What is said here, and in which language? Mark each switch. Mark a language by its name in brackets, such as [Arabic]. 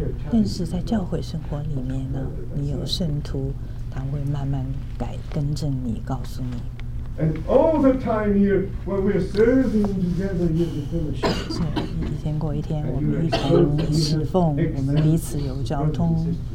[Chinese] 但是在教会生活里面呢，你有圣徒，他会慢慢改更正你，告诉你。 [English] And all the time here, when we're serving together here, the fellowship. [Chinese] 一天过一天，我们一同侍奉，我们彼此有交通。